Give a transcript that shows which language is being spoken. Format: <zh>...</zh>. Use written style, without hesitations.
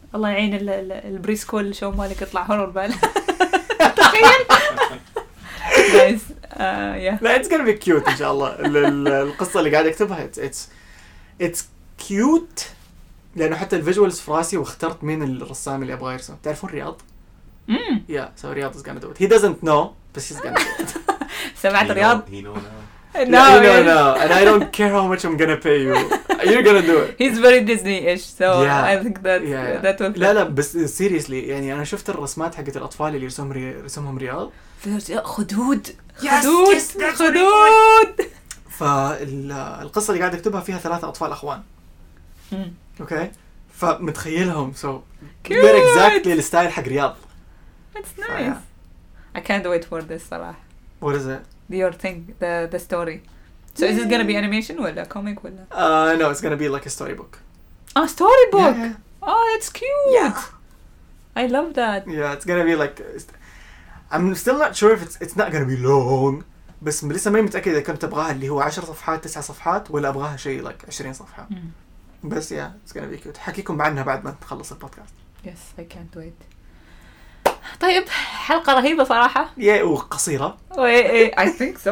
<ar>الله يعين ال البريسكول شو مالك يطلع هورور بال.</ar> <en>تخيل. Nice. Yeah. لا it's gonna be cute إن شاء الله.</en> <ar>القصة اللي قاعد أكتبها it's cute لأنه حتى الفيجوالز في راسي واخترت مين الرسام اللي أبغى يرسم. تعرفون رياض؟ Mm.</ar> <en>Yeah. So رياض is gonna do it. He doesn't know. But he's gonna do it.</en> <ar>سمعت رياض.</ar> <en>He know now. No, and I don't care how much I'm gonna pay you. You're gonna do it. He's very Disney-ish, so yeah. I think that that will.</en> <ar>لا لا بس seriously يعني أنا شفت الرسمات حقت الأطفال اللي يرسم رسمهم رياض. خدود. خدود. خدود. فالقصة اللي قاعد أكتبها فيها ثلاثة أطفال أخوان.</ar> <en>Okay. فمتخيلهم so. Cute. They're exactly the style حق رياض. That's nice. I can't wait for this صراحة. What is it? Your thing, the story. So is it gonna be animation ولا comic ولا? No, it's gonna be like a storybook. A storybook. Yeah. Oh, it's cute. Yeah. I love that. Yeah, it's gonna be like. I'm still not sure if it's not gonna be long.</en> <ar>بس لسه ما متأكد إذا كنت أبغاها اللي هو 10 صفحات 9 صفحات ولا أبغاها شيء like 20 صفحة.</ar> <en>بس yeah, it's gonna be cute.</en> <ar>حكيكم عنها بعد ما تخلص البودكاست.</ar> <en>Yes, I can't wait. طيب حلقة رهيبة صراحة.</en> <ar>ياي وقصيرة.</ar> <en>ايه I think so.</en>